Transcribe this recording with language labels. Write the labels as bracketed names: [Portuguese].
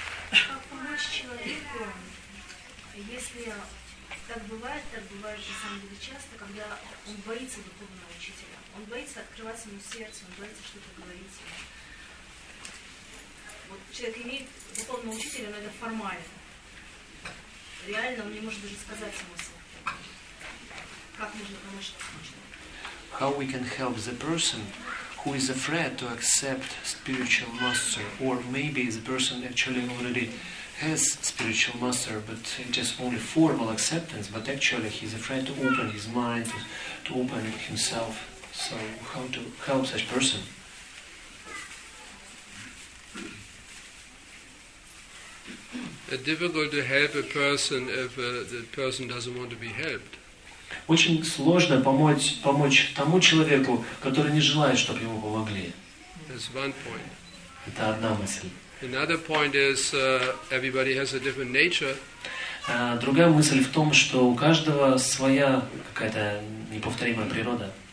[Russian] Как помочь человеку, если так бывает на самом деле часто, когда он боится духовного учителя, он боится открывать своему сердце, он боится что-то говорить ему. Вот человек имеет духовного учителя, но это формально. Реально он не может даже сказать смысл. Как можно помочь такому человеку? [English] How we can help the person who is afraid to accept spiritual master, or maybe the person actually already has spiritual master, but it is only formal acceptance, but actually he's afraid to open his mind, to open himself. So how to help such person? It's difficult to help a person if the person doesn't want to be helped. [Russian] Очень сложно помочь тому человеку, который не желает, чтобы ему помогли. [English] That's one point. [Russian] Это одна мысль. [English] Another point is, everybody has a different nature. [Russian] Другая мысль в том, что у каждого своя какая-то неповторимая природа.